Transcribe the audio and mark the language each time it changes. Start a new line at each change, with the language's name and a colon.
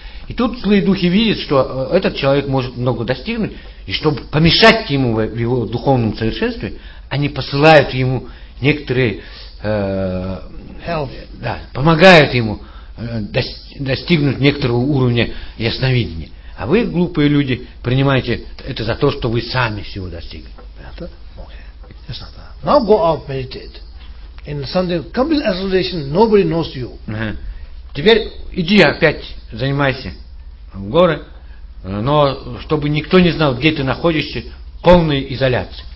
Russian: И тут злые духи видят, что этот человек может много достигнуть, и чтобы помешать ему в его духовном совершенстве, они посылают ему некоторые да, помогают ему достигнуть некоторого уровня ясновидения. А вы, глупые люди, принимаете это за то, что вы сами всего достигли.
English: Okay. Now go out, meditate. In Sunday, come to association, nobody knows you.
Russian: Теперь иди опять, занимайся в горы, но чтобы никто не знал, где ты находишься, в полной изоляции.